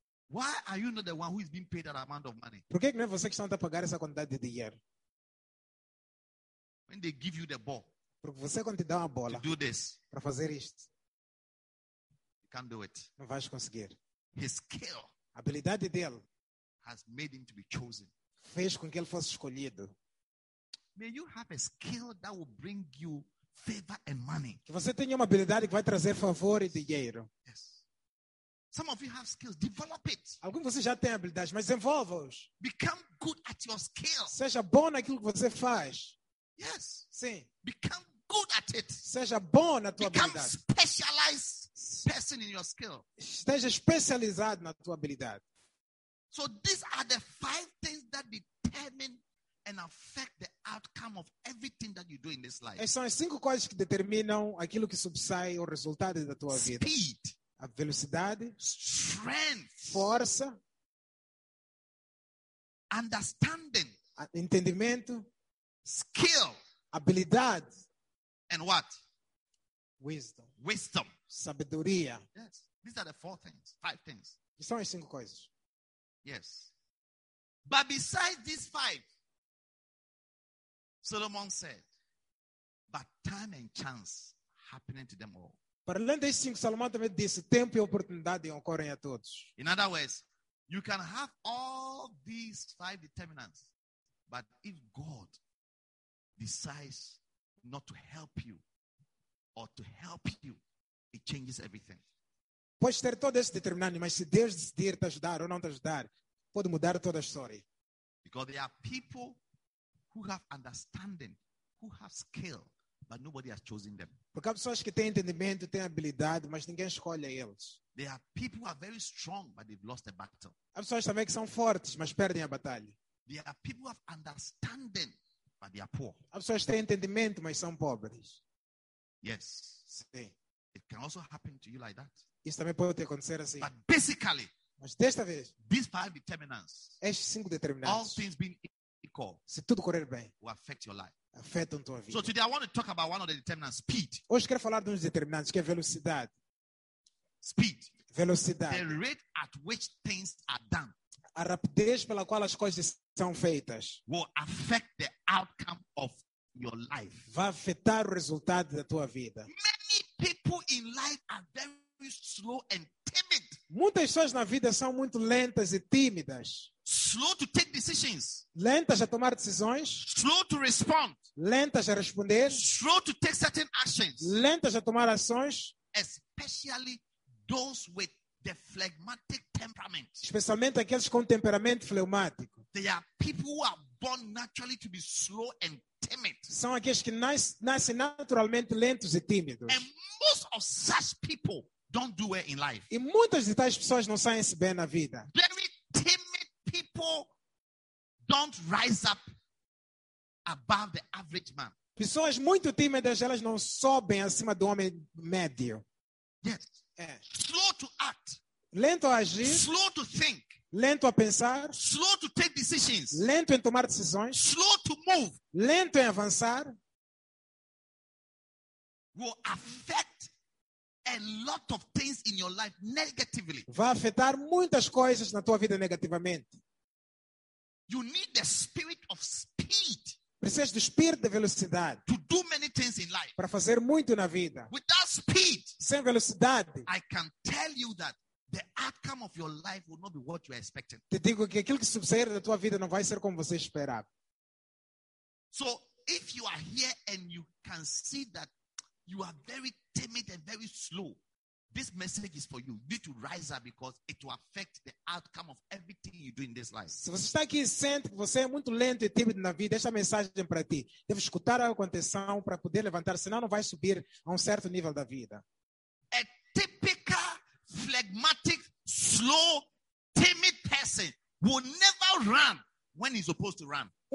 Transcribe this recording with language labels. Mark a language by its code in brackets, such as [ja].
[en] Why are you not the one who is being paid that amount of money? [pt] Por que não é você que está a pagar essa quantidade de dinheiro? [en] When they give you the ball. [pt] Porque você quando te dá uma bola. [en] To do this. [pt] Para fazer isto. [en] You can't do it. [pt] Não vais conseguir. [en] His skill. [pt] A habilidade dele. [en] Has made him to be chosen. [pt] Fez com que ele fosse escolhido. [en] May you have a skill that will bring you favor and money. [pt] Que você tenha uma habilidade que vai trazer favor e dinheiro. [en] Yes. Some of you have skills. Develop it. [pt] Alguns de vocês já têm habilidades, mas desenvolva-os. [en] Become good at your skills. [pt] Seja bom naquilo que você faz. [en] Yes. [pt] Sim. [en] Become good at it. [pt] Seja bom na tua [en] Become [pt] habilidade. [en] Become specialized person in your skill. [pt] Esteja especializado na tua habilidade. [en] So these are the 5 things that determine and affect the outcome of everything that you do in this life. [pt] Essas são as 5 coisas que determinam aquilo que subsai o resultado da tua [en] Speed. [pt] Vida. [en] Speed. [pt] A velocidade, [en] strength, [pt] força, [en] understanding, [pt] entendimento, [en] skill, [pt] habilidade, [en] and what? Wisdom. Wisdom. [pt] Sabedoria. [en] Yes. These are the 4 things, 5 things. [pt] São as 5 coisas. [en] Yes. But besides these 5, Solomon said, but time and chance happening to them all. [pt] Para além desses 5, Salomão também disse, tempo e oportunidade ocorrem a todos. [en] In other words, you can have all these 5 determinants, but if God decides not to help you or to help you, it changes everything. [pt] Pode ter todos esses determinantes, mas se Deus decidir te ajudar ou não te ajudar, pode mudar toda a história. [en] Because there are people who have understanding, who have skill, but nobody has chosen them. [pt] Porque há pessoas que têm entendimento, têm habilidade, mas ninguém escolhe eles. [en] There are people who are very strong, but they've lost the battle. [pt] Há pessoas também que são fortes, mas perdem a batalha. [en] There are people who have understanding, but they are poor. [pt] Há pessoas que têm entendimento, mas são pobres. [en] Yes. [pt] Sim. [en] It can also happen to you like that. [pt] Isso também pode acontecer assim. [en] But basically, [pt] mas desta vez, [en] these 5 determinants, [pt] estes 5 determinantes, [en] all things being equal, [pt] se tudo correr bem, [en] will affect your life. [pt] Afetam tua vida. [en] So today I want to talk about one of the determinants, speed. [pt] Hoje quero falar de um determinante, que é velocidade. [en] Speed. [pt] Velocidade. [en] The rate at which things are done. [pt] A rapidez pela qual as coisas são feitas. [en] Will affect the outcome of your life. [pt] Vai afetar o resultado da tua vida. [en] Many people in life are very slow and timid. [pt] Muitas pessoas na vida são muito lentas e tímidas. [en] Slow to take decisions. [pt] Lentas a tomar decisões. [en] Slow to respond. [pt] Lentas a responder. [en] Slow to take certain actions. [pt] Lentas a tomar ações. [en] Especially those with the phlegmatic temperament. [pt] Especialmente aqueles com temperamento fleumático. [en] They are people who are born naturally to be slow and timid. [pt] São aqueles que nascem naturalmente lentos e tímidos. [en] And most of such people don't do well in life. [pt] E muitas de tais pessoas não saem-se bem na vida. [en] Very timid people. Don't rise up above the average man. [pt] Pessoas muito tímidas, elas não sobem acima do homem médio. [en] Yes. [pt] É. [en] Slow to act. [pt] Lento a agir. [en] Slow to think. [pt] Lento a pensar. [en] Slow to take decisions. [pt] Lento em tomar decisões. [en] Slow to move. [pt] Lento em avançar. [en] Will affect a lot of things in your life negatively. [pt] Vai afetar muitas coisas na tua vida negativamente. [en] You need the spirit of speed. [pt] Precisas do espírito de velocidade. [en] To do many things in life. [pt] Para fazer muito na vida. [en] Without speed. [pt] Sem velocidade. [en] I can tell you that the outcome of your life will not be what you are expecting. [pt] Te digo que aquilo que suceder na tua vida não vai ser como você esperava. [en] So, if you are here and you can see that you are very timid and very slow, this message is for you. You need to rise up because it will affect the outcome of everything you do in this life. [pt] Se você está aqui e sente que você é muito lento e tímido na vida, esta mensagem é para ti. Deve escutar a contenção para poder levantar, senão não vai subir a certo nível da vida. [en] A typical, phlegmatic, slow, timid person will never run when he's supposed to run.